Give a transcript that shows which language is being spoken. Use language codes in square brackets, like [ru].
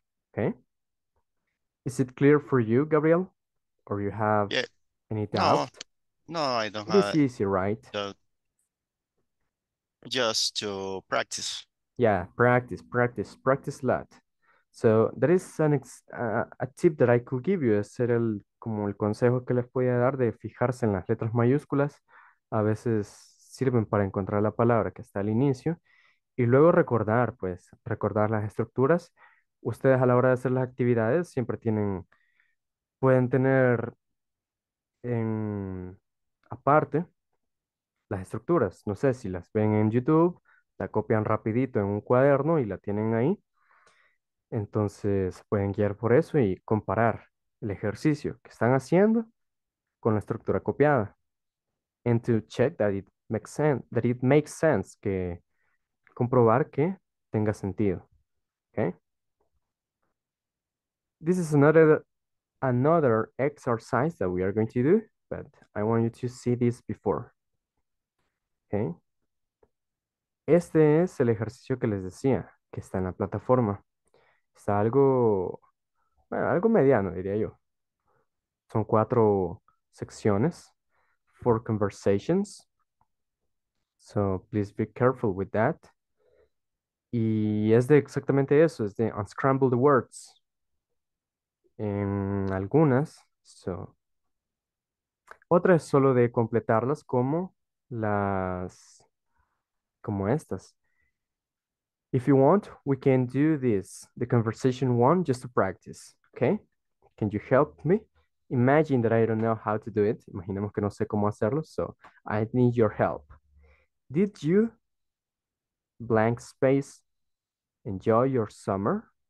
[en] Okay. Is it clear for you, Gabriel? Or you have any doubt? No, I don't it have it. It's easy, right? Just to practice. Yeah, practice, practice, practice a lot. So that is an a tip that I could give you. [es] Es ser el, como el consejo que les podía dar de fijarse en las letras mayúsculas. A veces sirven para encontrar la palabra que está al inicio. Y luego recordar, pues, recordar las estructuras. Ustedes a la hora de hacer las actividades siempre tienen, pueden tener en aparte las estructuras. No sé si las ven en YouTube, la copian rapidito en un cuaderno y la tienen ahí. Entonces pueden guiar por eso y comparar el ejercicio que están haciendo con la estructura copiada. [en] And to check that it makes sense, [es] que comprobar que tenga sentido. [en] Okay. This is another exercise that we are going to do, but I want you to see this before. Okay. [es] Este es el ejercicio que les decía, que está en la plataforma. Está algo, bueno, algo mediano, diría yo. Son cuatro secciones, [en] four conversations. So please be careful with that. [es] Y es de exactamente eso, es de [en] unscramble the words. [es] En algunas, so. Otra es solo de completarlas como las, como estas. [en] If you want, we can do this, the conversation one, just to practice, okay? Can you help me? Imagine that I don't know how to do it. [es] Imaginemos que no sé cómo hacerlo, [en] so I need your help. Did you, blank space, enjoy your summer?